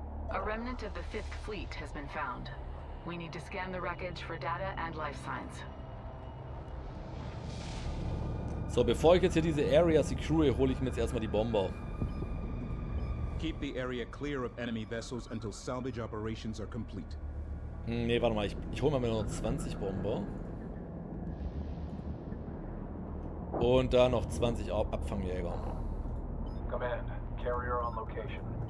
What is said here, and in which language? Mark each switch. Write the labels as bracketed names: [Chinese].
[English] A remnant of the 5th fleet has been found. We need to scan the wreckage for data and life signs. [German] So, bevor ich jetzt hier diese Area secure, hole ich mir jetzt erstmal die Bomber. [English] Keep the area clear of enemy vessels until salvage operations are complete. [German] Nee, warte mal, ich hole mir nur 20 Bomber. Und da noch 20 Abfangjäger. [English] Command, carrier on location.